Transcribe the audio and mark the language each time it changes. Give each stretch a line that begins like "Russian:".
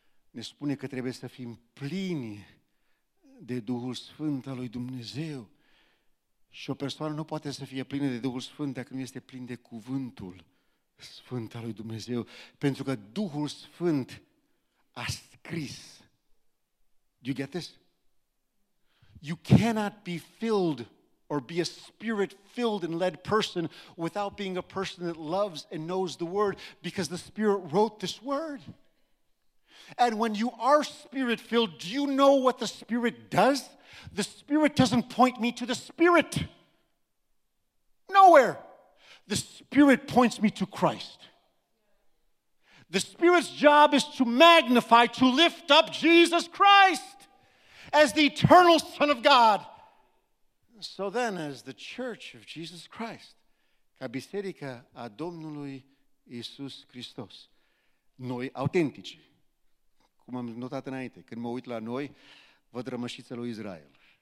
Romanian: ne spune că trebuie să fim plini de Duhul Sfânt al lui Dumnezeu. Și o persoană nu poate să fie plină de Duhul Sfânt dacă nu este plin de Cuvântul Sfânt al lui Dumnezeu. Pentru că Duhul Sfânt a scris.
English: Do you get this? You cannot be filled or be a spirit-filled and led person without being a person that loves and knows the Word, because the Spirit wrote this Word. And when you are spirit-filled, do you know what the Spirit does? The Spirit doesn't point me to the Spirit. Nowhere. The Spirit points me to Christ. The Spirit's job is to magnify, to lift up Jesus Christ as the eternal Son of God. So then, as the Church of Jesus Christ,
Romanian: ca Biserica a Domnului Iisus Hristos, noi autentici, cum am notat înainte, când mă uit la noi, văd rămășiță lui Israel.